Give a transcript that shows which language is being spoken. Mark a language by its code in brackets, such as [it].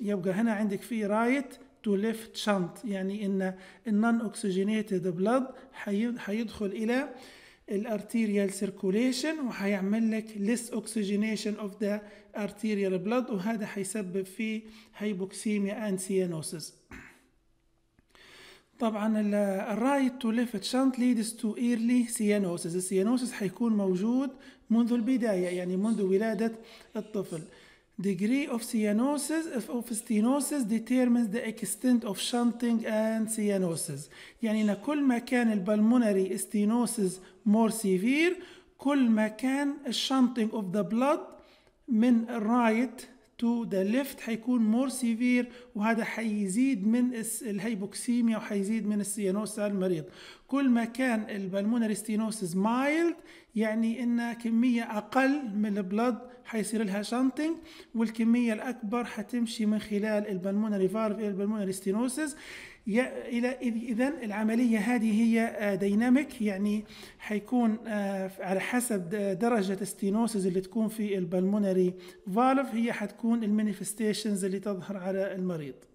[ar] يبقى هنا عندك في رايت تو ليفت شنط يعني إن النون أكسجينيتد بلد حيدخل إلى الأرتيريال سيركوليشن وحيعمل لك ليس أكسجينيشن أوف ذا أرتيريال بلد، وهذا حيسبب في هايبوكسيميا أند سيانوسيس. طبعا الرايت تو ليفت شنط ليدس تو ايرلي سيانوسيس، السيانوسيس حيكون موجود منذ البداية يعني منذ ولادة الطفل. [en] degree of cyanosis of stenosis determines the extent of shunting and cyanosis، [ar] يعني ان كل ما كان البلمونري stenosis more severe كل ما كان shunting of the blood من right to the left حيكون more severe، وهذا حيزيد من الهيبوكسيميا وحيزيد من السيانوسيس على المريض. كل ما كان البلمونري ستينوسيس مايلد يعني ان كميه اقل من البلد حيصير لها شانتنج، والكميه الاكبر حتمشي من خلال البلمونري فالف الى البلمونري ستينوسيس. الى اذا العمليه هذه هي ديناميك يعني حيكون على حسب درجه ستينوسيس اللي تكون في البلمونري فالف هي حتكون المانيفستيشنز اللي تظهر على المريض.